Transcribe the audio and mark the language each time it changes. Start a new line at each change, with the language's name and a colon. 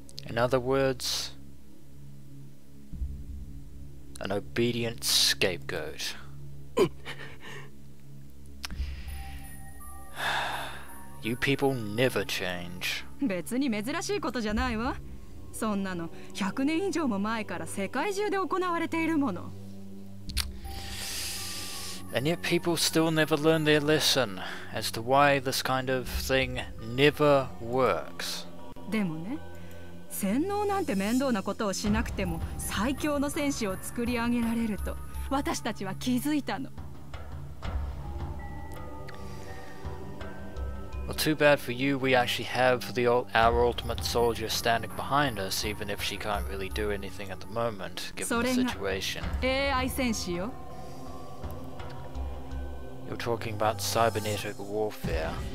English: In other words, an obedient scapegoat. You people never change.
Japanese: 別に珍しいことじゃないわ。そんなの100年以上も前から世界中で行われているもの。
English: And yet people still never learn their lesson as to why this kind of thing never works.
Japanese: でもね、洗脳なんて面倒なことをしなくても最強の戦士を作り上げられると私たちは気づいたの。
English: Well, too bad for you, we actually have the our ultimate soldier standing behind us, even if she can't really do anything at the moment, given the situation.
Japanese: AI 戦士よ。
English: You're talking about cybernetic warfare.